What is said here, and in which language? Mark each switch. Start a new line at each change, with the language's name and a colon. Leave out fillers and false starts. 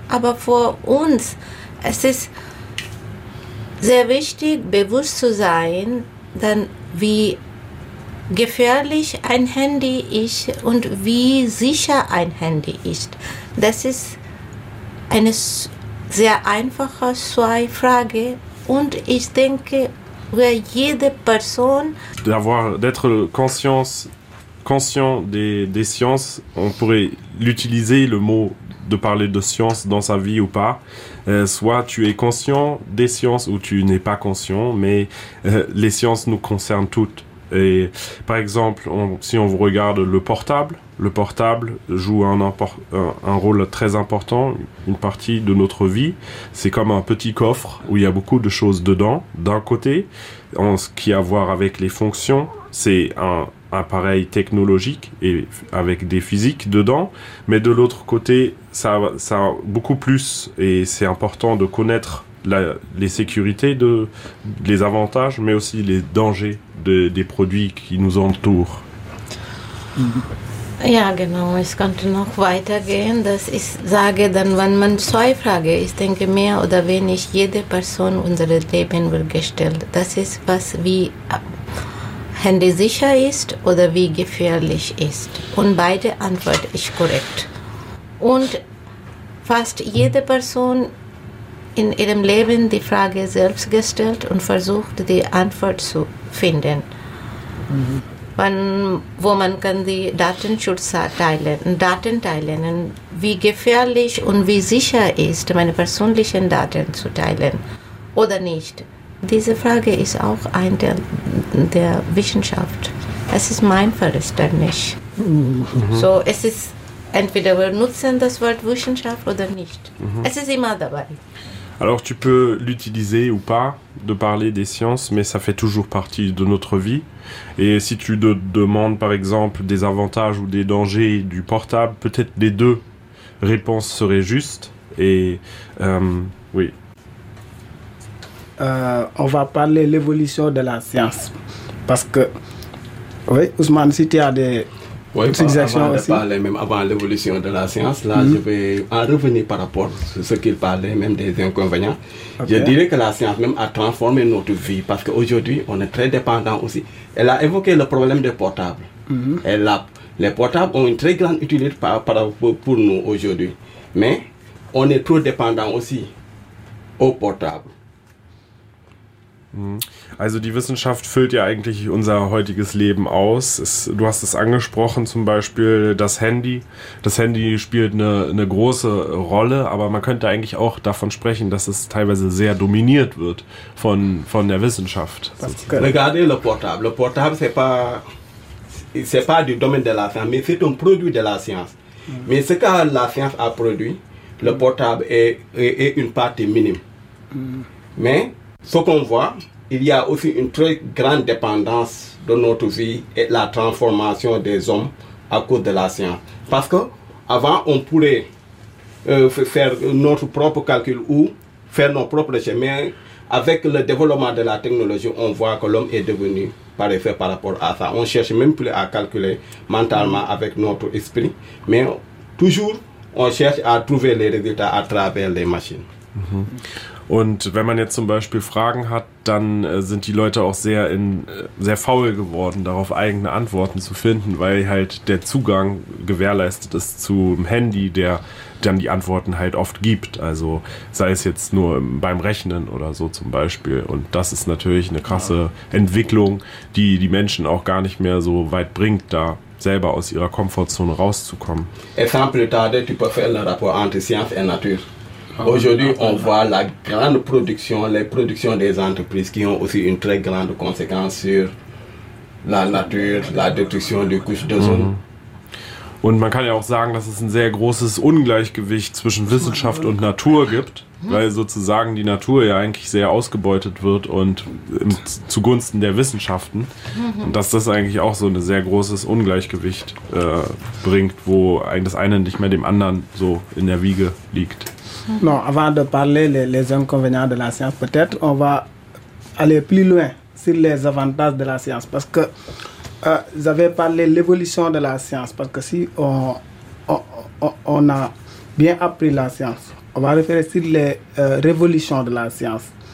German: Aber für uns, es ist sehr wichtig, bewusst zu sein, dann wie gefährlich ein Handy ist und wie sicher ein Handy ist. Das ist eine sehr einfache zwei Frage und ich denke, wir jede Person
French: d'être conscient des sciences, on pourrait l'utiliser le mot de parler de science dans sa vie ou pas. Soit tu es conscient des sciences ou tu n'es pas conscient, mais les sciences nous concernent toutes. Et par exemple, si on regarde le portable, le portable joue un rôle très important, une partie de notre vie. C'est comme un petit coffre où il y a beaucoup de choses dedans. D'un côté, en ce qui a à voir avec les fonctions, c'est un appareil technologique et avec des physiques dedans. Mais de l'autre côté, ça a beaucoup plus et c'est important de connaître les sécurités, les avantages, mais aussi les dangers des produits qui nous entourent.
German: Ja, genau. Ich könnte noch weitergehen, dass ich sage, dann, wenn man zwei Fragen, ich denke, mehr oder weniger jede Person unser Leben wird gestellt. Das ist, was wie handysicher ist oder wie gefährlich ist. Und beide Antworten ist korrekt. Und fast jede Person in ihrem Leben die Frage selbst gestellt und versucht, die Antwort zu finden. Mhm. Wo man kann die Datenschutz teilen, wie gefährlich und wie sicher ist, meine persönlichen Daten zu teilen oder nicht. Diese Frage ist auch ein Teil der Wissenschaft. Es ist mein Verständnis. Mhm. So, es ist entweder wir nutzen das Wort Wissenschaft oder nicht. Mhm. Es ist immer dabei.
French: Alors tu peux l'utiliser ou pas, de parler des sciences, mais ça fait toujours partie de notre vie. Et si tu te demandes par exemple des avantages ou des dangers du portable, peut-être les deux réponses seraient justes. Et oui. On va parler de l'évolution de la science. Parce que, oui Ousmane, si tu as des... Oui, avant l'évolution de la science, là, je vais en revenir par rapport à ce qu'il parlait, même des inconvénients. Okay. Je dirais que la science même a transformé notre vie, parce qu'aujourd'hui, on est très dépendant aussi. Elle a évoqué le problème des portables. Mm-hmm. Les portables ont une très grande utilité pour nous aujourd'hui. Mais on est trop dépendant aussi aux portables.
German: Also die Wissenschaft füllt ja eigentlich unser heutiges Leben aus. Du hast es angesprochen, zum Beispiel das Handy. Das Handy spielt eine große Rolle, aber man könnte eigentlich auch davon sprechen, dass es teilweise sehr dominiert wird von der Wissenschaft.
French: Regardez le portable. Le portable, c'est pas du domaine de la science, mais c'est un produit de la science. Mais ce que la science a produit, le portable est une partie minime. Mais ce qu'on voit, il y a aussi une très grande dépendance de notre vie et la transformation des hommes à cause de la science. Parce qu'avant, on pourrait faire notre propre calcul ou faire nos propres recherches. Mais avec le développement de la technologie, on voit que l'homme est devenu parfait par rapport à ça. On ne cherche même plus à calculer mentalement avec notre esprit. Mais toujours, on cherche à trouver les résultats à travers les machines. Mm-hmm.
German: Und wenn man jetzt zum Beispiel Fragen hat, dann sind die Leute auch sehr faul geworden, darauf eigene Antworten zu finden, weil halt der Zugang gewährleistet ist zum Handy, der dann die Antworten halt oft gibt. Also sei es jetzt nur beim Rechnen oder so zum Beispiel. Und das ist natürlich eine krasse Entwicklung, die die Menschen auch gar nicht mehr so weit bringt, da selber aus ihrer Komfortzone rauszukommen.
French: Exemple tarde, tu peux faire le rapport entre science et nature. Aujourd'hui, on voit la grande production, les productions des entreprises qui ont aussi une très grande conséquence sur la nature, la destruction des couches d'ozone.
German: Und man kann ja auch sagen, dass es ein sehr großes Ungleichgewicht zwischen Wissenschaft und Natur gibt, weil sozusagen die Natur ja eigentlich sehr ausgebeutet wird und zugunsten der Wissenschaften. Und dass das eigentlich auch so ein sehr großes Ungleichgewicht bringt, wo das eine nicht mehr dem anderen so in der Wiege liegt.
French: Non, avant de parler les inconvénients de la science, peut-être on va aller plus loin sur les avantages de la science. Parce que vous avez parlé de l'évolution de la science. Parce que si on a bien appris la science, on va référer sur les révolutions de la science.